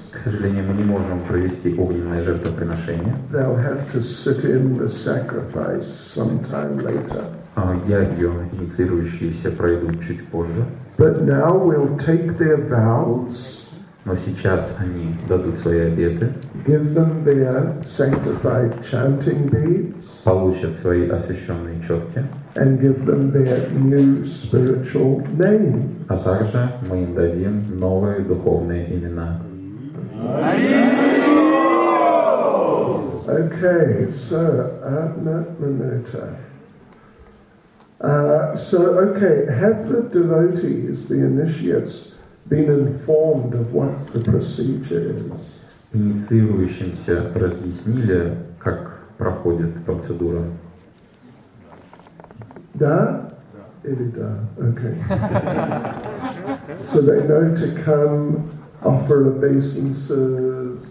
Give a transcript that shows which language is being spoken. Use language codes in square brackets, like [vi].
[ru] К сожалению, мы не можем провести огненное жертвоприношение. [en] They'll have to sit in the sacrifice sometime later. [ru] Ягью инициирующиеся пройдут чуть позже. [en] But now we'll take their vows. [ru] Но сейчас они дадут свои обеты. [en] Give them their sanctified chanting beads. [ru] Получат свои освященные четки. [en] And give them their new spiritual name. [ru] А также мы им дадим новые духовные имена. [en] Okay, so Adna Manota. Okay, have the devotees, the initiates, been informed of what the procedure is? [ru] Инициирующимся разъяснили, как проходит процедура. [en] Да? Elida, okay. So they know to come, offer obeisances.